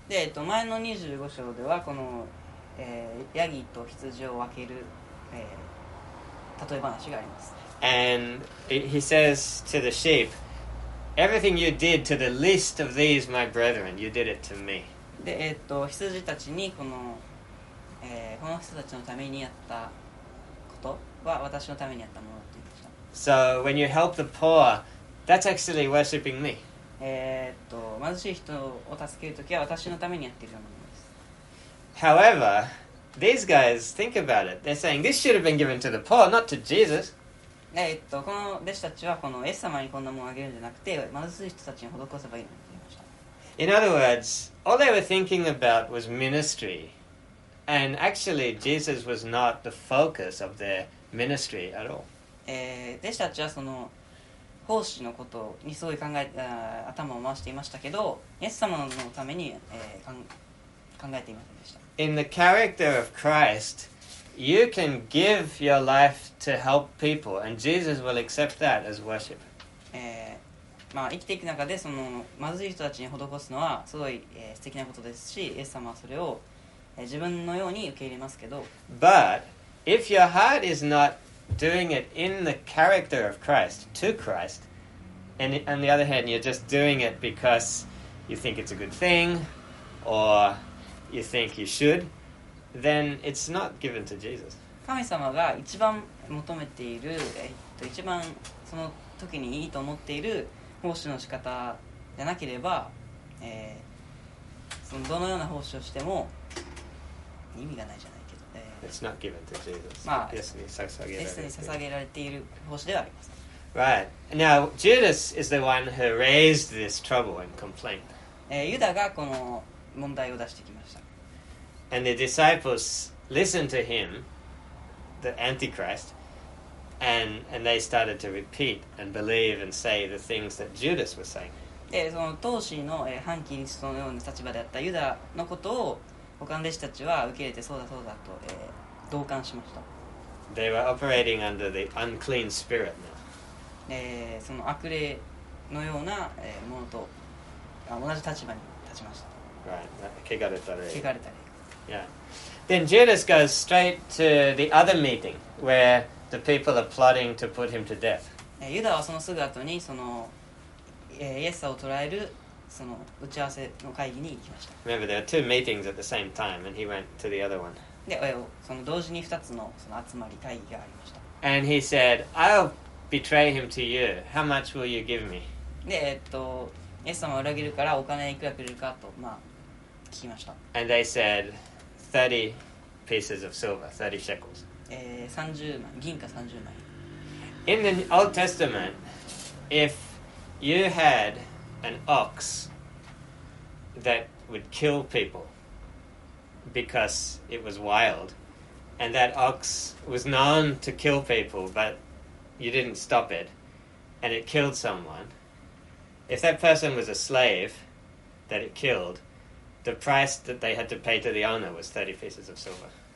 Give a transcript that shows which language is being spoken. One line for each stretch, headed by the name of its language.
Japanese: で、前の25章ではこの、ヤギと羊を分ける、例え話があります。
English: And he says to the sheep, everything you did to the least of these my brethren, you did it to me.
Japanese: で、羊たちにこのこの人たちのためにやったことは私のためにやったものと言いました。
English: So when you help the poor, that's actually worshiping me.
Japanese: 貧しい人を助けるときは私のためにやっているようなものです。
English: However, these guys think about it. They're saying this should have been given to the poor, not to Jesus.
Japanese: この弟子たちはこのイエス様にこんなものをあげるんじゃなくて貧しい人たちに施せばいいのと言いました。
English: In other words, all they were thinking about was ministry. And actually, Jesus was not the focus of their ministry at all.
Japanese: 弟子たちはその奉仕のことにすごい考え、頭を回していましたけど、イエス様のために、考えていませんでした。
English: In the character of Christ, you can give your life to help people, and Jesus will accept that as worship.
Japanese: 生きていく中でその貧しい人たちに施すのはすごい、素敵なことですし、イエス様はそれを自分のように受け入れますけど、
English: But if your heart is not doing it in the character of Christ to Christ, and on the other hand, you're just doing it because you think it's a good thing, or you think you should, then it's not given to Jesus.
Japanese: 神様が一番求めている、一番その時にいいと思っている奉仕の仕方じゃなければ、そのどのような奉仕をしても意味がないじゃないけど、
English: It's not given to Jesus.
Japanese: イエスに捧げられている奉仕ではあります。
English: Right. Now, Judas is the one who raised this trouble and complaint.
Japanese: ユダがこの問題を出してきました。
English: And the disciples listened to him, the Antichrist, and they started to repeat and believe and say the things that Judas was saying.
Japanese: で、その当時の反キリストのような立場であったユダのことを他の弟子たちは受け入れてそうだそうだと、同感しました。
English: They were operating under the unclean spirit now.
Japanese: その悪霊のような、ものと同じ立場に立ちました。
English: Right.
Japanese: 汚れた霊。汚れた霊。
English: Yeah. Then Judas goes straight to the other meeting where the people are plotting to put him to death.
Japanese: ユダはそのすぐ後にその、イエスを捕らえるその打ち合わせの会議に行きました。
English: Remember, there are two meetings at the same time, and he went to the other one.
Japanese: で、その同時に2つのその集まり会議がありました。
English: And he said, I'll betray him to you. How much will you give me?
Japanese: で、イエス様を裏切るからお金いくらくれるかと、聞きました。
English: And they said, 30 pieces of silver, 30 shekels.
Japanese: 銀貨30枚。
English: In the Old Testament, if you had an ox that would kill people because it was wild and that ox was known to kill people but you didn't stop it and it killed someone if that person was a slave that it killed the price that they had to pay to the owner was 30 pieces of silver